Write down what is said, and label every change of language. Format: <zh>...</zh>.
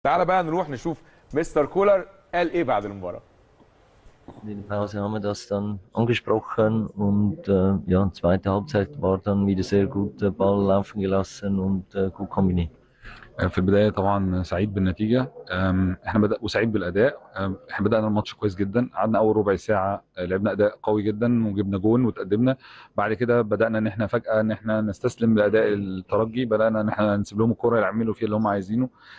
<ar>تعالى بقى نروح نشوف مستر كولر قال ايه بعد المباراة.</ar> <de>Den Pause haben wir das dann angesprochen und ja, zweite Halbzeit war dann wieder sehr gut, Ball laufen gelassen und gut kombiniert.</de> <ar>في البداية طبعا سعيد بالنتيجة احنا بدأ وسعيد بالأداء. احنا بدأنا الماتش كويس جدا، قعدنا أول ربع ساعة لعبنا أداء قوي جدا وجبنا جون وتقدمنا. بعد كده بدأنا إن احنا فجأة إن احنا نستسلم لأداء الترجي، بدأنا إن احنا نسيب لهم الكورة يعملوا فيها اللي هم عايزينه.</ar>